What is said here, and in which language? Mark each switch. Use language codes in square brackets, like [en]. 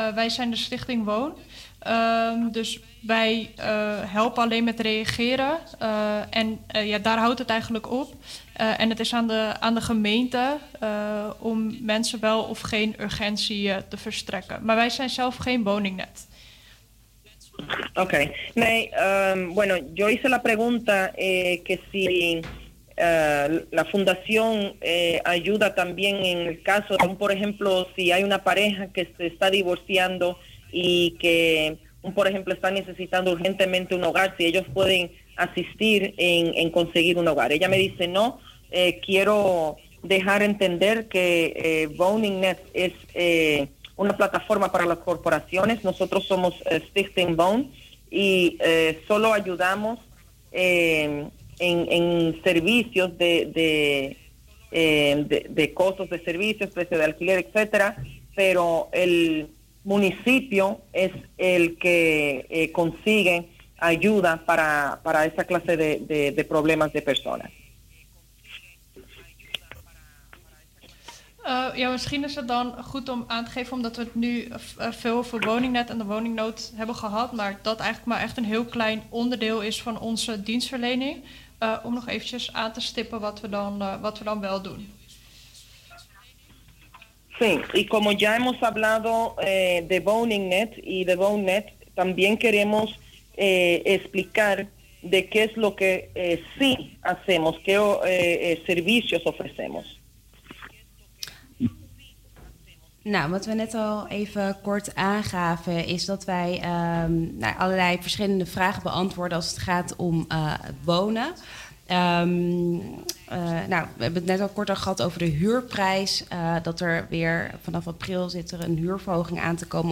[nl] Wij zijn de Stichting Woon. Dus wij helpen alleen met reageren. Daar houdt het eigenlijk op. En het is aan de gemeente om mensen wel of geen urgentie te verstrekken. Maar wij zijn zelf geen Woningnet. Oké. Okay. [es] Nee, yo hice la pregunta que si la fundación ayuda también en el caso, por ejemplo, si hay una pareja que se está divorciando y que... por ejemplo, está necesitando urgentemente un hogar, si ellos pueden asistir en conseguir un hogar. Ella me dice, no, quiero dejar entender que Woningnet es una plataforma para las corporaciones. Nosotros somos Stichting Woon y solo ayudamos en servicios de costos de servicios, precio de alquiler, etcétera, pero el... municipio es el que consigue ayuda para esa clase de problemas de personas. [nl] Misschien is het dan goed om aan te geven, omdat we het nu veel over Woningnet en de woningnood hebben gehad, maar dat eigenlijk maar echt een heel klein onderdeel is van onze dienstverlening, om nog eventjes aan te stippen wat we dan wel doen. [es] Sí, y como ya hemos hablado de Woningnet y de Woonnet, también queremos explicar de qué es lo que sí hacemos, qué servicios ofrecemos. [nl] Nou, wat we net al even kort aangaven, is dat wij allerlei verschillende vragen beantwoorden als het gaat om wonen. We hebben het net al kort al gehad over de huurprijs. Dat er weer vanaf april zit er een huurverhoging aan te komen.